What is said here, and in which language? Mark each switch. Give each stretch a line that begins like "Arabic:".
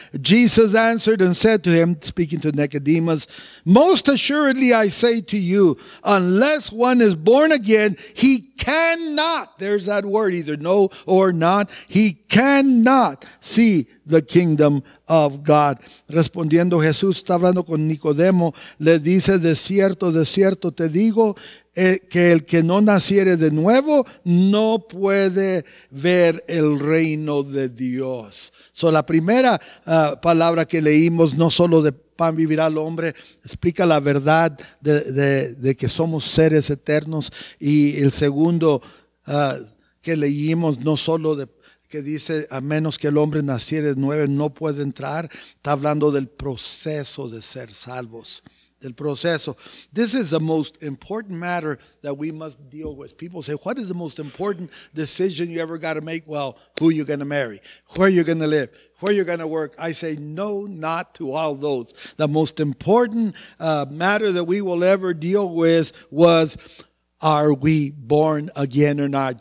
English: Jesus answered and said to him, speaking to Nicodemus, "Most assuredly, I say to you, unless one is born again, he cannot," there's that word, either no or not, "he cannot see the kingdom of God."
Spanish: Respondiendo Jesús, está hablando con Nicodemo, le dice, de cierto te digo, que el que no naciere de nuevo, no puede ver el reino de Dios. So la primera palabra que leímos, no solo de pan vivirá el hombre, explica la verdad de que somos seres eternos. Y el segundo que leímos, no solo de que dice, a menos que el hombre naciere nueve, no puede entrar. Está hablando del proceso de ser salvos, del proceso.
English: This is the most important matter that we must deal with. People say, what is the most important decision you ever got to make? Well, who are you going to marry? Where are you going to live? Where you're going to work? I say no, not to all those. The most important matter that we will ever deal with was, are we born again or not?